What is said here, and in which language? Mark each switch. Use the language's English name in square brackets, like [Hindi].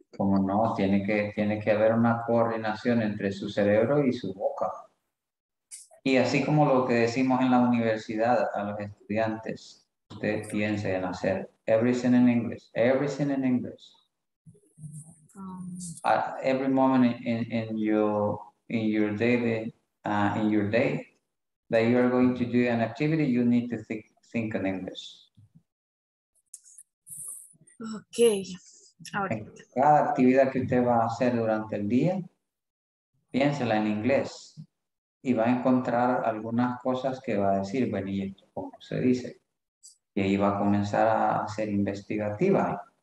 [Spanish] ¿Cómo no? Tiene que haber una coordinación entre su cerebro y su boca. Y así como lo que decimos en la universidad a los estudiantes, usted piensa en hacer [English] everything in English, everything in English. Every moment in your day that you are going to do an activity, you need to think in English. Okay. [Spanish] Cada actividad que usted va a hacer durante el día, piénsela en inglés y va a encontrar algunas cosas que va a decir, bueno, y esto como se dice. Y ahí va a comenzar a ser investigativa.